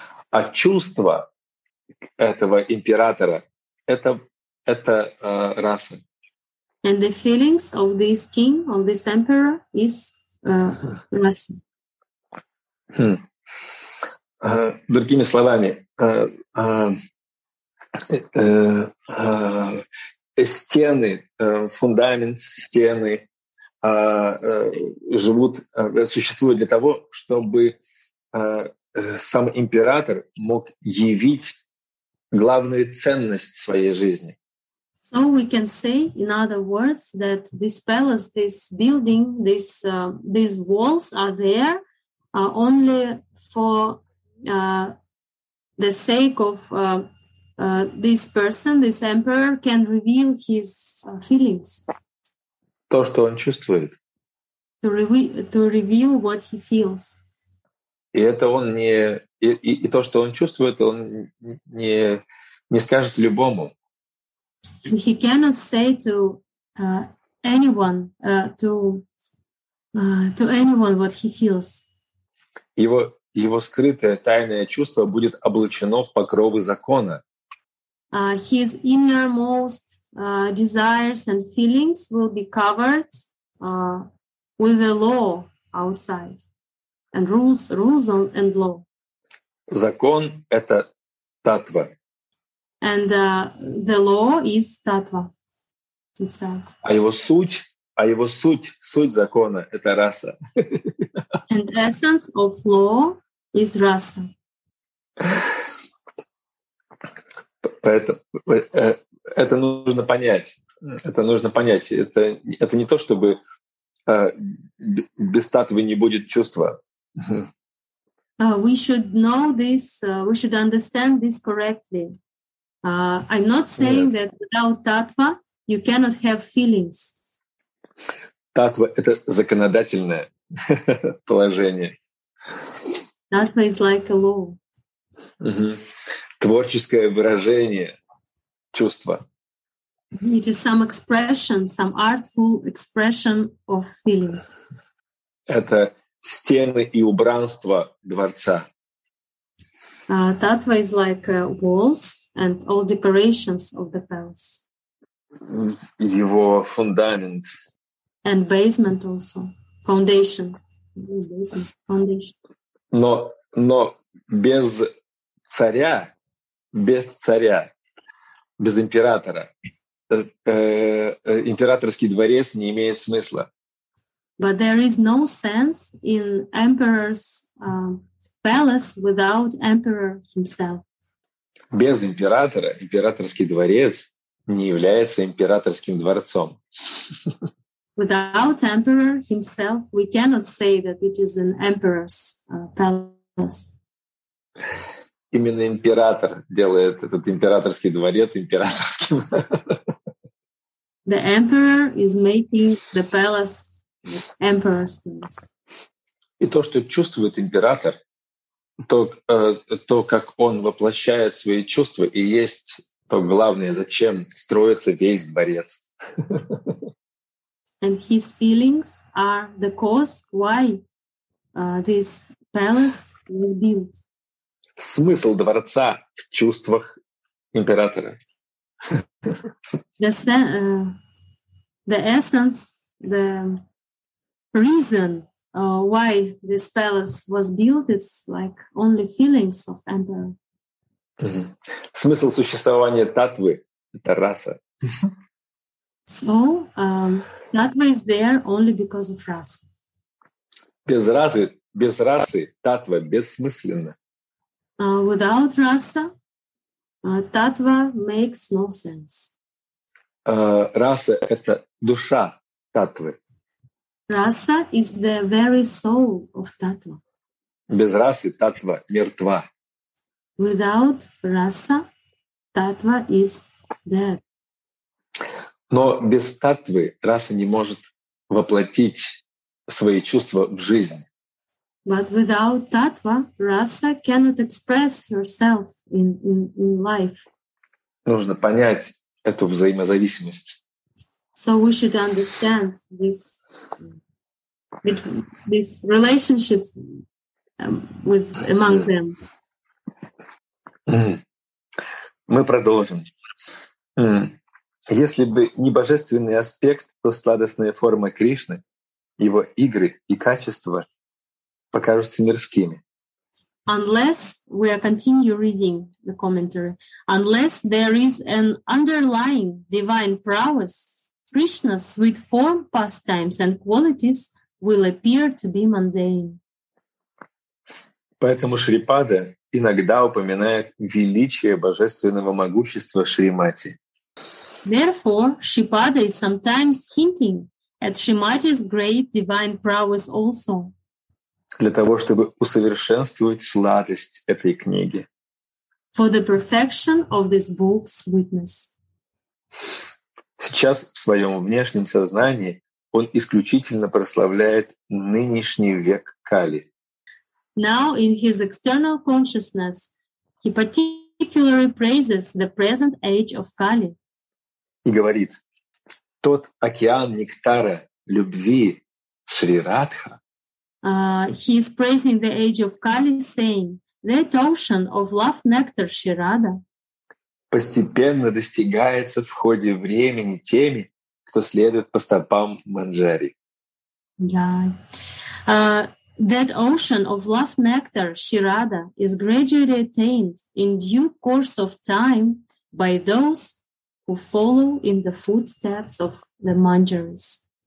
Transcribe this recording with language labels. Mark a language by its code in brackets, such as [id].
[ru] А чувства этого императора это раса. [en] And the feelings of this king, of this emperor, is раса. [ru] Другими словами, стены, фундамент, стены живут, существуют для того, чтобы сам император мог явить главную ценность своей жизни. [en] So we can say, in other words, that this palace, this building, this these walls are there only for the sake of this person, this emperor can reveal his feelings. [ru] То, что он чувствует. [en] To reveal what he feels. [ru] И это он не и то, что он чувствует, он не скажет любому. [en] And he cannot say to anyone to anyone what he feels. [ru] Его скрытое тайное чувство будет облачено в покровы закона. [en] His innermost desires and feelings will be covered with the law outside and rules and law. [ru] Закон — это татва. [en] And the law is татва itself. [ru] А его суть закона — это раса. [en] And essence of law is раса. [ru] Это нужно понять. Это нужно понять. Это не то, чтобы без татвы не будет чувства. [en] We should know this. We should understand this correctly. I'm not saying that without татва you cannot have feelings. [ru] Татва — это законодательное положение. [en] Татва is like a law. [ru] Творческое выражение чувства. [en] It is some expression, some artful expression of feelings. [ru] Это стены и убранство дворца. [en] Татва is like walls and all decorations of the palace. [ru] Его фундамент. [en] And basement also. Foundation. Foundation. [ru] Но без царя, без императора. Императорский дворец не имеет смысла. [en] But there is no sense in emperor's palace without emperor himself. [ru] Без императора императорский дворец не является императорским дворцом. [en] Without emperor himself, we cannot say that it is an emperor's palace. [ru] Именно император делает этот императорский дворец императорским. [en] The emperor is making the palace emperor's palace. [ru] И то, что чувствует император, то, как он воплощает свои чувства, и есть то главное, зачем строится весь дворец. [en] And his feelings are the cause why this palace was built. [ru] Смысл дворца в чувствах императора. [en] The essence, the reason why this palace was built, it's like only feelings of emperor. Mm-hmm. [ru] Смысл существования татвы — это раса. [en] So, татва is there only because of раса. [ru] Без расы татва бессмысленна. [en] Without раса, татва makes no sense. [ru] Раса — это душа татвы. [en] Раса is the very soul of татва. [ru] Без расы татва мертва. [en] Without раса, татва is dead. [ru] Но без татвы раса не может воплотить свои чувства в жизнь. [en] But without татва, раса cannot express herself in life. [ru] Нужно понять эту взаимозависимость. [en] So we should understand these relationships with among them. [ru] Мы продолжим. Если бы не божественный аспект, то сладостная форма Кришны, его игры и качества покажутся мирскими. [en] unless we continue reading the commentary, unless there is an underlying divine prowess, Krishna's sweet form, pastimes, and qualities will appear to be mundane. [ru] Поэтому Шрипада иногда упоминает величие божественного могущества Шримати. [en] Therefore, Шрипада is sometimes hinting at Shrimati's great divine prowess also. [ru] Для того, чтобы усовершенствовать сладость этой книги. [en] For the perfection of this book's sweetness. [ru] Сейчас в своем внешнем сознании он исключительно прославляет нынешний век Кали. [en] Now in his external consciousness, he particularly praises the present age of Kali. [ru] И говорит, тот океан нектара любви Шри Радха. [en] He is praising the age of Kali, saying, that ocean of love nectar Шри Радха. [ru] Постепенно достигается в ходе времени теми, кто следует по стопам Манджари. Yeah. [en] That ocean of love nectar, Шри Радха, is gradually attained in due course of time by those who follow in the footsteps of the Manjaris.